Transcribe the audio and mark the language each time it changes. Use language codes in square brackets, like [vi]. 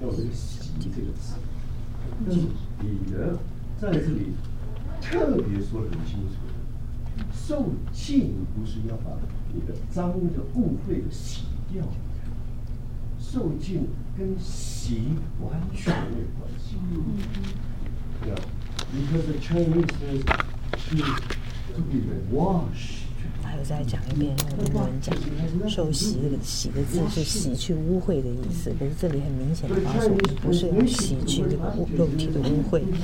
[zh] 要这个洗这个字，但是彼得在这里特别说得很清楚。受浸不是要把你的脏的污秽的洗掉，受浸跟洗完全没有关系。 [en] Yeah, because the Chinese says to be washed. [zh] 还有再讲一遍，英文讲受洗的洗的字是洗去污秽的意思，可是这里很明显的告诉我们，不是洗去这个肉体的污秽。